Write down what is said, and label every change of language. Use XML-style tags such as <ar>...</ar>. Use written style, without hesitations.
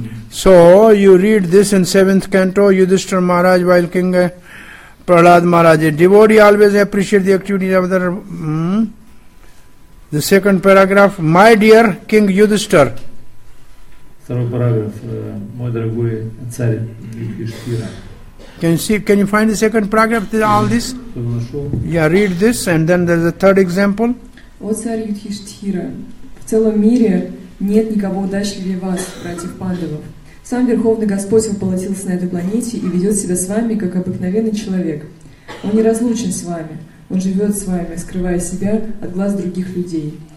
<en>So, you read this in 7th canto, Yudhishthira Maharaj, while King Prahlad Maharaj, a devotee always appreciates the activities of other. The second paragraph, my dear King Yudhishthira.</en> <ru>Второй параграф, мой дорогой царь Юдхиштхира.</ru> <en>Can you find the second paragraph, all this? Yeah, read this, and then there's a third example.</en> <ru>О царь Юдхиштхира, в целом мире нет никого удачливее вас, братьев Пандавов. Сам Верховный Господь воплотился на этой планете и ведет себя с вами, как обыкновенный человек. Он неразлучен с вами. Он живет с вами, скрывая себя от глаз других людей.</ru>